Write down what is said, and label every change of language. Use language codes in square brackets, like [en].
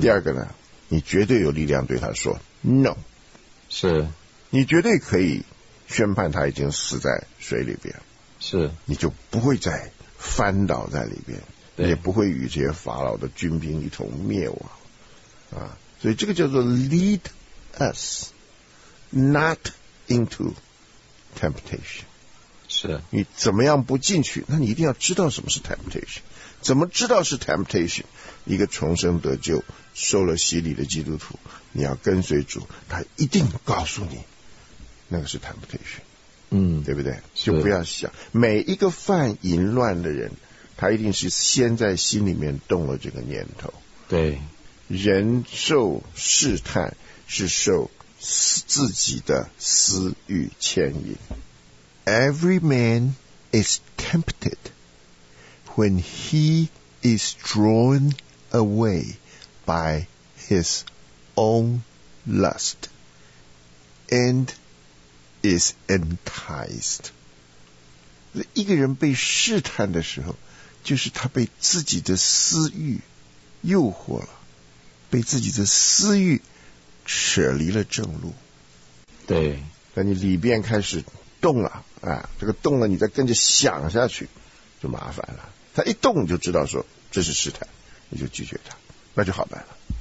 [zh] 第二个呢，你绝对有力量对他说 no。是，你绝对可以。宣判他已经死在水里边，是，你就不会再翻倒在里边，也不会与这些法老的军兵一同灭亡啊！所以这个叫做 [en] lead us not into temptation。 [zh] 是，你怎么样不进去，那你一定要知道什么是 temptation。怎么知道是 temptation？ 一个重生得救受了洗礼的基督徒，你要跟随主，他一定告诉你那个是 temptation。嗯，对不对？就不要想，每一个犯淫乱的人，他一定是先在心里面动了这个念头。对，人受试探是受自己的私欲牵引。 [en] Every man is tempted when he is drawn away by his own lust andis enticed。 [zh] 一个人被试探的时候，就是他被自己的私欲诱惑了，被自己的私欲扯离了正路。对，那你里边开始动了啊，这个动了你再跟着想下去就麻烦了，他一动你就知道说这是试探，你就拒绝他，那就好办了。